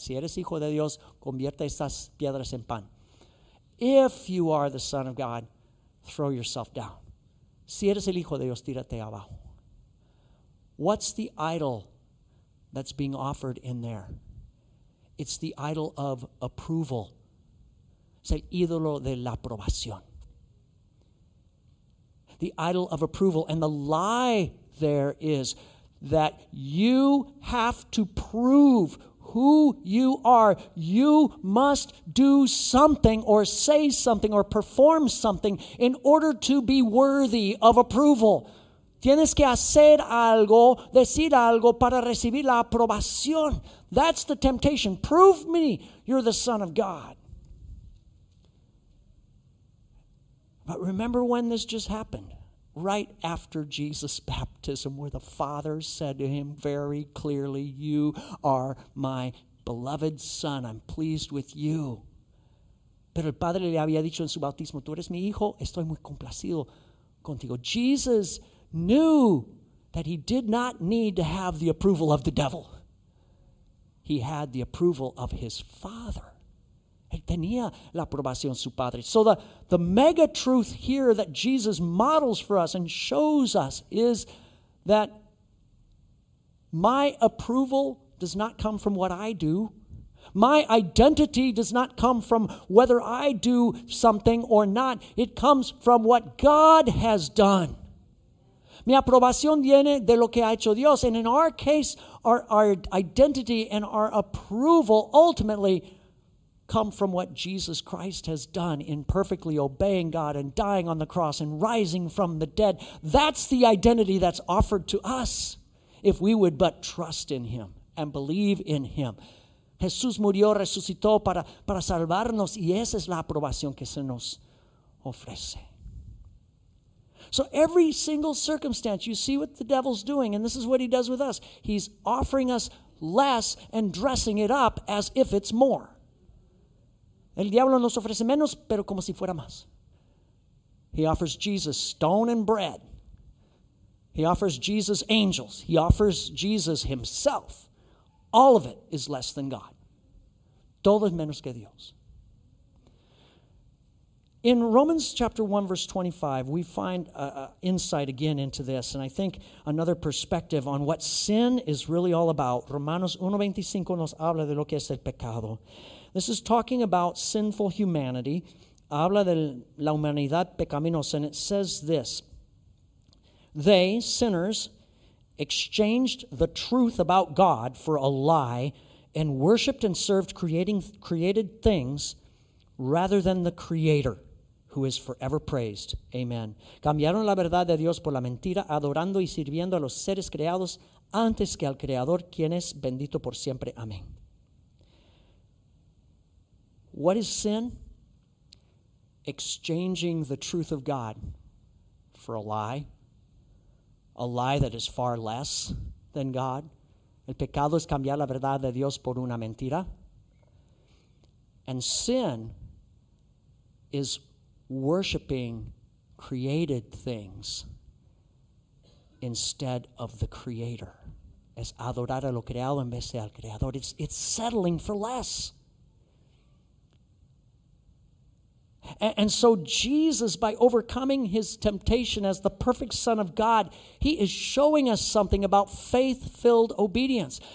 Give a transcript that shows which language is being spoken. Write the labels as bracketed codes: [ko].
[es] Si eres hijo de Dios, convierte estas piedras en pan. [en] If you are the son of God, throw yourself down. [es] Si eres el hijo de Dios, tírate abajo. [en] What's the idol that's being offered in there? It's the idol of approval. [es] Es el ídolo de la aprobación. [en] The idol of approval. And the lie there is that you have to prove who you are. You must do something or say something or perform something in order to be worthy of approval. [es] Tienes que hacer algo, decir algo para recibir la aprobación. [en] That's the temptation. Prove me you're the Son of God. But remember when this just happened. Right after Jesus' baptism, where the Father said to him very clearly, "You are my beloved Son. I'm pleased with you." [es] Pero el Padre le había dicho en su bautismo, "Tú eres mi hijo. Estoy muy complacido contigo." [en] Jesus knew that he did not need to have the approval of the devil. He had the approval of his Father. [es] Él tenía la aprobación de su Padre. [en] So the mega truth here that Jesus models for us and shows us is that my approval does not come from what I do. My identity does not come from whether I do something or not. It comes from what God has done. [es] Mi aprobación viene de lo que ha hecho Dios. [en] And in our case, our identity and our approval ultimately come from what Jesus Christ has done in perfectly obeying God and dying on the cross and rising from the dead. That's the identity that's offered to us if we would but trust in Him and believe in Him. [es] Jesús murió, resucitó para salvarnos, y esa es la aprobación que se nos ofrece. [en] So every single circumstance, you see what the devil's doing, and this is what he does with us. He's offering us less and dressing it up as if it's more. [es] El diablo nos ofrece menos, pero como si fuera más. [en] He offers Jesus stone and bread. He offers Jesus angels. He offers Jesus himself. All of it is less than God. [es] Todo es menos que Dios. [en] In Romans chapter 1, verse 25, we find insight again into this, and I think another perspective on what sin is really all about. [es] Romanos 1:25 nos habla de lo que es el pecado. [en] This is talking about sinful humanity. [es] Habla de la humanidad pecaminosa, [en] and it says this. They, sinners, exchanged the truth about God for a lie and worshipped and served created things rather than the Creator, who is forever praised. Amen. [es] Cambiaron la verdad de Dios por la mentira, adorando y sirviendo a los seres creados antes que al Creador, quien es bendito por siempre. Amen. [en] What is sin? Exchanging the truth of God for a lie that is far less than God. [es] El pecado es cambiar la verdad de Dios por una mentira. [en] And sin is worshiping created things instead of the Creator. [es] Es adorar a lo creado en vez de al Creador. [en] It's settling for less. And so Jesus, by overcoming his temptation as the perfect Son of God, he is showing us something about faith-filled obedience.